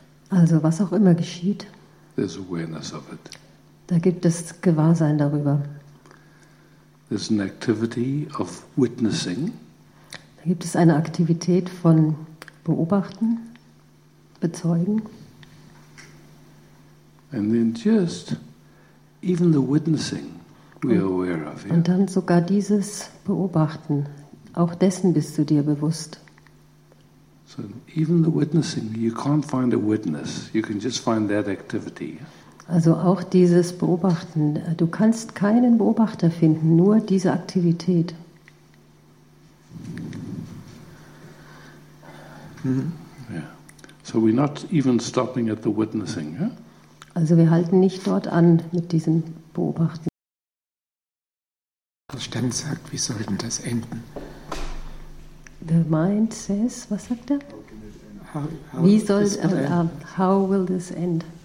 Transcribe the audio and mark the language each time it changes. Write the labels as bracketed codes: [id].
[de] also was auch immer geschieht, [en] there's awareness of it. [de] Da gibt es Gewahrsein darüber. [en] There's an activity of witnessing. [de] Da gibt es eine Aktivität von Beobachten, Bezeugen. [en] And then just even the witnessing we are aware of. [de] Und dann sogar dieses Beobachten, auch dessen bist du dir bewusst. [en] So even the witnessing, you can't find a witness. You can just find that activity. [de] Also auch dieses Beobachten. Du kannst keinen Beobachter finden, nur diese Aktivität. [en] Mm-hmm. Yeah. So we're not even stopping at the witnessing, huh? [de] Also wir halten nicht dort an mit diesem Beobachten. Verstand sagt, wie soll denn das enden? [en] The mind says, [de] was sagt er? [en] How will this end?